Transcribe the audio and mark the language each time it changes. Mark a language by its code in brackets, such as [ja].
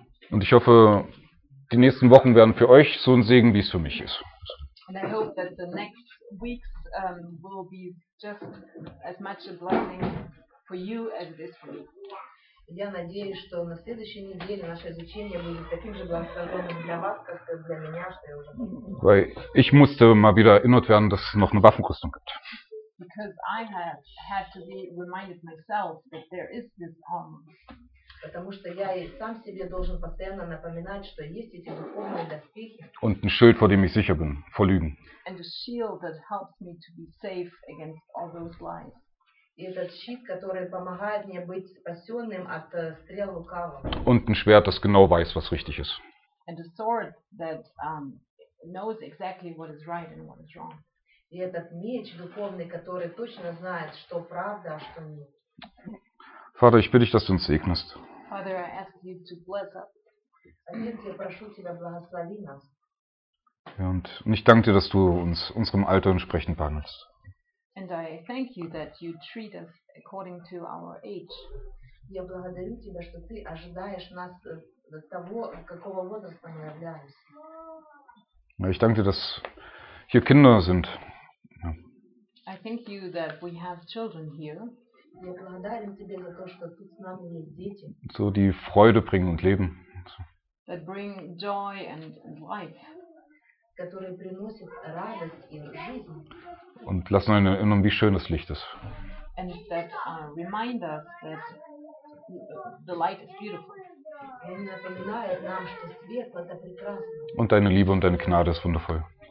[de] Und ich hoffe, die nächsten Wochen werden für euch so ein Segen, wie es für mich ist. [en] And I hope that the next weeks will be just as much a blessing for you as this week. [ru] Я надеюсь, что на следующей неделе наше изучение будет таким же благословенным для вас, как для меня, что я уже. [de] Weil ich musste mal wieder erinnert werden, dass es noch eine Waffenrüstung gibt. [en] Because I have had to be reminded myself that there is this armor. [ru] Потому что я и сам себе должен постоянно напоминать, что есть эти духовные доспехи. [de] Und ein Schild, vor dem ich sicher bin, vor Lügen. [en] And a shield that helps me to be safe against all those lies. [ru] И этот щит, который помогает мне быть спасенным от стрел лукавого. [de] Und ein Schwert, das genau weiß, was richtig ist. [en] And a sword that knows exactly what is right and what is wrong. [ru] И этот меч духовный, который точно знает, что правда, а что нет. [de] Vater, ich bitte dich, dass du uns segnest. [en] Father, I ask you to bless us. [ru] Отец, я прошу тебя, благослови нас. [de] Ja, und ich danke dir, dass du uns unserem Alter entsprechend behandelst. [en] And I thank you that you treat us according to our age. [ru] Я благодарю тебя, что ты ожидаешь нас того, какого возраста мы являемся. [de] Ich danke dir, dass hier Kinder sind. [en] I thank you that we have children here. [ru] Я благодарен тебе за то, что тут с нами есть дети. [de] So die Freude bringen und leben. [en] That bring joy and life. [ru] Которые приносят радость и жизнь. [de] Und lassen eine Erinnerung, wie schön das Licht ist. [en] And that remind us that the light is beautiful. [ru] Und напоминает нам, что свет это прекрасно. [de] Und deine Liebe und deine Gnade ist wundervoll.